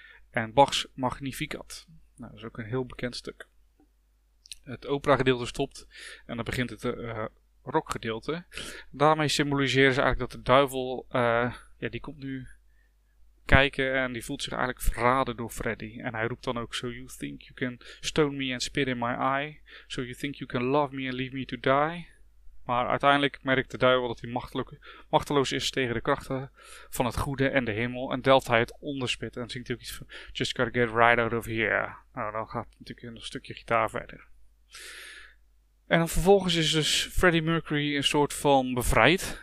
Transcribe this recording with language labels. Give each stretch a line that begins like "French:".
Dutch: En Bach's Magnificat. Nou, dat is ook een heel bekend stuk. Het opera gedeelte stopt en dan begint het rockgedeelte. Daarmee symboliseren ze eigenlijk dat de duivel, die komt nu kijken en die voelt zich eigenlijk verraden door Freddy. En hij roept dan ook,
English: so you think you can stone me and spit in my eye? So you think you can love me and leave me to die?
Dutch: Maar uiteindelijk merkt de duivel dat hij machteloos is tegen de krachten van het goede en de hemel. En delft hij het onderspit en zingt hij ook iets van,
English: just gotta get right out of here.
Dutch: Nou, dan gaat het natuurlijk een stukje gitaar verder. En dan vervolgens is dus Freddie Mercury een soort van bevrijd.